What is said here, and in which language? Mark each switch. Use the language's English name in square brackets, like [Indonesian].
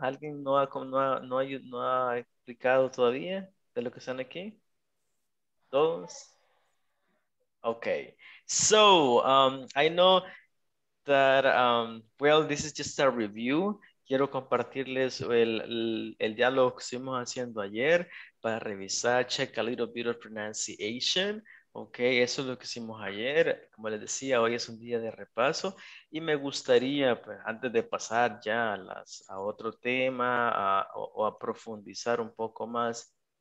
[Spanish] ¿Alguien no ha explicado todavía de lo que están aquí? ¿Todos? Okay. [English] So, I know that, well, this is just a review. [Spanish] Quiero compartirles el diálogo que estuvimos haciendo ayer para revisar, [English] check a little bit of pronunciation. [Spanish] Ok, eso es lo que hicimos ayer. Como les decía, hoy es un día de repaso y me gustaría, pues, antes de pasar ya a otro tema o a profundizar un poco más.